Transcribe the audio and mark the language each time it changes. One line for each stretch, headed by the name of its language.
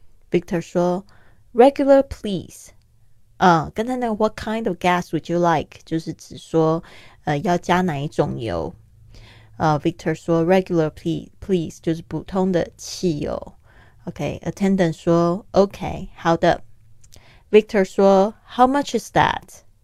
English: Victor 说 Regular, please.
Chinese: 刚才那个
English: What kind of gas would you like?
Chinese: 就是指说要加哪一种油。Victor 说
English: Regular, please,
Chinese: 就是普通的汽油。
English: OK,Attendant 说 OK,
Chinese: 好的。
English: Victor 说 How much is that?